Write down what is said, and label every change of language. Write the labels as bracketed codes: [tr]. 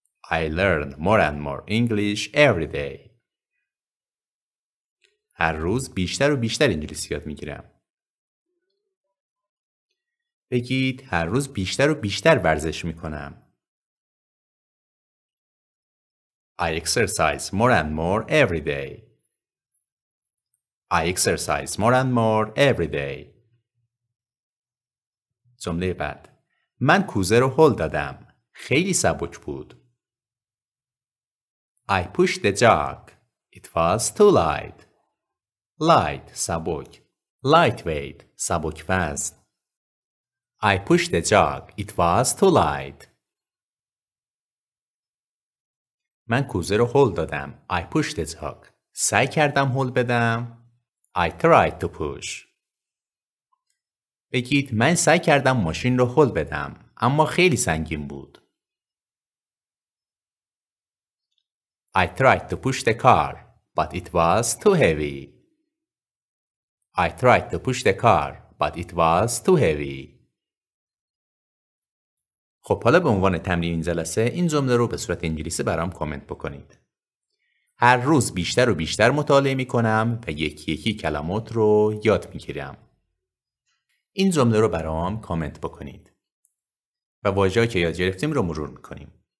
[en] I learn more and more English every day. [fa] هر روز بیشتر و بیشتر انگلیسی یاد میگیرم. بگید هر روز بیشتر و بیشتر ورزش میکنم. [en] I exercise more and more every day. I exercise more and more every day. [fa] جمله بعد. من کوزه رو هل دادم. خیلی سبک بود. [en] I pushed the jug. It was too light. Light, سبک. Lightweight, [fa] سبک وزن. [en] I pushed the jug. It was too light. [fa] من کوزه رو هل دادم. [en] I pushed the jug. [fa] سعی کردم هل بدم. [en] I tried to push. [fa] بگید من سعی کردم ماشین رو هل بدم اما خیلی سنگین بود. [en] I tried to push the car, but it was too heavy. I tried to push the car, but it was too heavy. [fa] خب حالا به عنوان تمرین این جلسه این جمله رو به صورت انگلیسی برام کامنت بکنید. هر روز بیشتر و بیشتر مطالعه می کنم و یکی یکی کلمات رو یاد می گیرم. این جمله رو برام کامنت بکنید. و واژه‌ای که یاد گرفتیم رو مرور می کنیم.